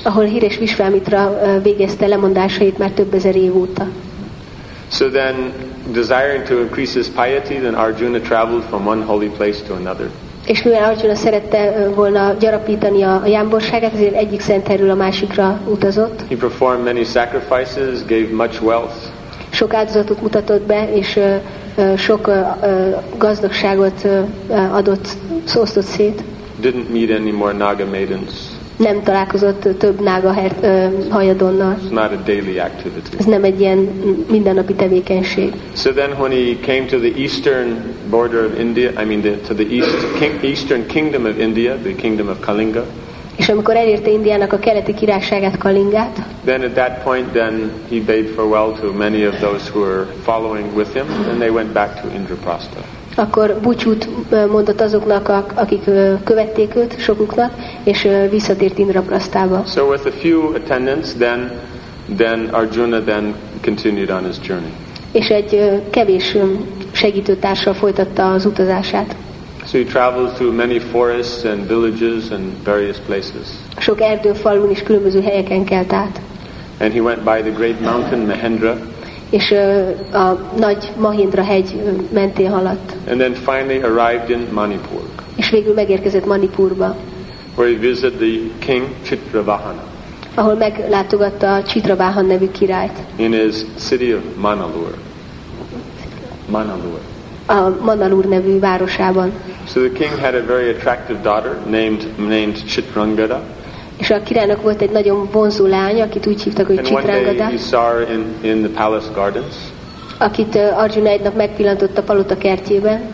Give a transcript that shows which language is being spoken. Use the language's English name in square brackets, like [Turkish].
[Hungarian] Ahol a híres Vishwamitra végezte lemondásait már több ezer év óta. [English] So then, desiring to increase his piety, then Arjuna traveled from one holy place to another. [Hungarian] És mivel Arjuna szerette volna gyarapítani a jámborságát, ezért egyik szent helyről a másikra utazott. [English] He performed many sacrifices, gave much wealth. [Hungarian] Sok áldozatot mutatott be, és sok gazdagságot adott, osztott szét. [English] Didn't meet any more Naga maidens. [Hungarian] Nem találkozott több nága hajadonnal. [English] It's not a daily activity. [Hungarian] Ez nem egy ilyen mindennapi tevékenység. [English] So then when he came to the eastern border of India, I mean to the eastern kingdom of India, the kingdom of Kalinga. [Hungarian] És amikor elérte Indiának a keleti királyságát, Kalingát. [English] Then at that point then he bade farewell to many of those who were following with him and they went back to Indraprastha. [Hungarian] Akkor búcsút mondott azoknak, akik követték őt, sokuknak, és visszatért Indraprasztába. [English] So with a few attendants, then Arjuna then continued on his journey. [Hungarian] És egy kevés segítőtársa folytatta az utazását. [English] So he traveled through many forests and villages and various places. [Hungarian] Sok erdőfalun és különböző helyeken kelt át. [English] And he went by the great mountain Mahendra. [Hungarian] És a nagy Mahindra hegy mentén haladt. [English] And then finally arrived in Manipur. [Hungarian] És végül megérkezett Manipurba. [English] Where he visited the king Chitravahana. [Hungarian] Ahol meglátogatta Chitravahan nevű királyt. [English] In his city of Manalur. Manalur. [Hungarian] A Manalur nevű városában. [English] So the king had a very attractive daughter named Chitrangada. [Hungarian] És a királynak volt egy nagyon vonzó lány, akit úgy hívtak, hogy Chitrangada. [English] And one day he saw her in the palace gardens. [Hungarian] Akit Arjuna egy nap megpillantott a palota kertjében.